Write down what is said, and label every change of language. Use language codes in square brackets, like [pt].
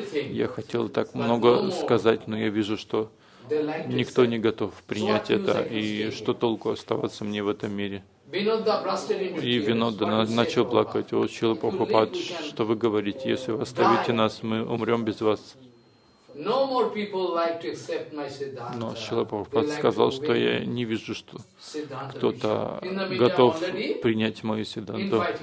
[ru] Я хотел так много сказать, но я вижу, что никто не готов принять это. И что толку оставаться мне в этом мире? И Винода начал плакать. О, Шрила Прабхупад, что вы говорите? Если вы оставите нас, мы умрем без вас. [en] No more people like to accept my siddhanta. [ru] Но Шрила Прабхупад сказал, что я не вижу, что кто-то готов принять мою сиддханту.